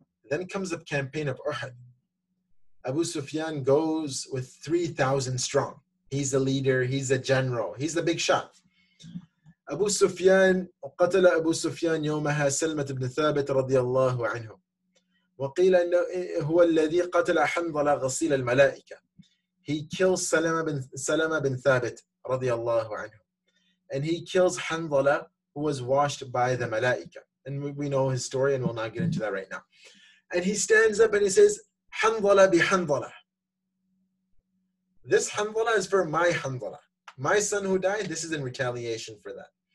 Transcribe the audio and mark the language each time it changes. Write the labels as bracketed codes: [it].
[en] Then comes the campaign of Uhud. Abu Sufyan goes with 3,000 strong. He's the leader, he's the general, he's the big shot. [ar] Abu Sufyan, قتل أبو سفيان يومها سلمة بن ثابت رضي الله عنه. وقيل أنه هو الذي قتل حنظلة غسيل الملائكة. [en] He kills Salama bin Thabit, radiallahu anhu. And he kills Hanzala, who was washed by the Malaika. And we know his story, and we'll not get into that right now. And he stands up and he says, Hanzala bi Hanzala. This Hanzala is for my Hanzala. My son who died, this is in retaliation for that.